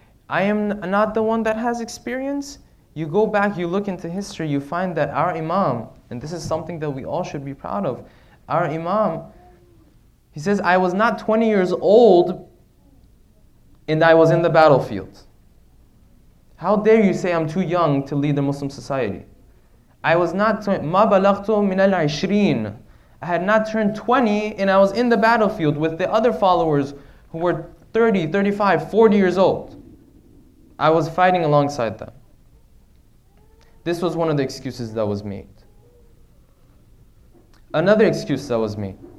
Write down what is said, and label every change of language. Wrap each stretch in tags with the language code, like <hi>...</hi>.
<en>I am not the one that has experience. You go back, you look into history, you find that our imam, and this is something that we all should be proud of, our imam, he says, I was not 20 years old and I was in the battlefield. How dare you say I'm too young to lead the Muslim society? I was not,</en> <ar>ما بلغت من العشرين.</ar> <en>I had not turned 20 and I was in the battlefield with the other followers who were 30, 35, 40 years old. I was fighting alongside them. This was one of the excuses that was made. Another excuse that was made.</en>